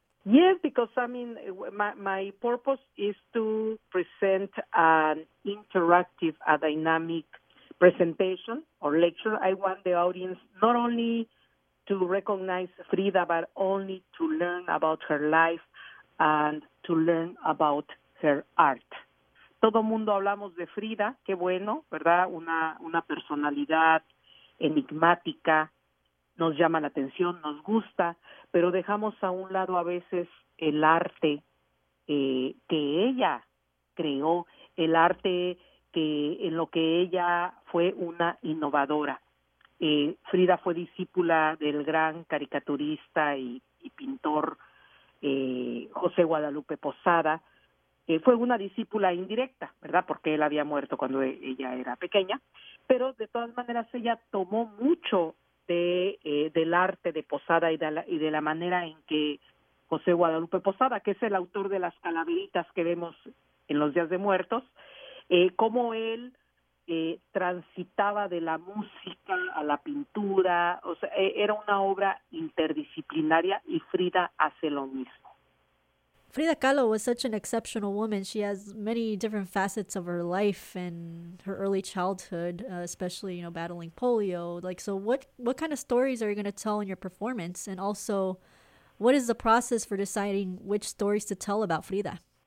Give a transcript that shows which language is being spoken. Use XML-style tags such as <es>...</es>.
<en>Yes, because I mean, my purpose is to present an interactive, a dynamic presentation or lecture. I want the audience not only to recognize Frida, but only to learn about her life and to learn about her art.</en> <es>Todo mundo hablamos de Frida, qué bueno, ¿verdad? Una personalidad enigmática, nos llama la atención, nos gusta, pero dejamos a un lado a veces el arte que ella creó, el arte en lo que ella fue una innovadora. Frida fue discípula del gran caricaturista y pintor José Guadalupe Posada. Fue una discípula indirecta, ¿verdad? Porque él había muerto cuando ella era pequeña, pero de todas maneras ella tomó mucho del arte de Posada y de la manera en que José Guadalupe Posada, que es el autor de las calaveritas que vemos en los Días de Muertos, cómo él transitaba de la música a la pintura, o sea, era una obra interdisciplinaria, y Frida hace lo mismo.</es> <en>Frida Kahlo was such an exceptional woman. She has many different facets of her life and her early childhood, especially, you know, battling polio. Like, so what kind of stories are you going to tell in your performance? And also, what is the process for deciding which stories to tell about Frida?</en>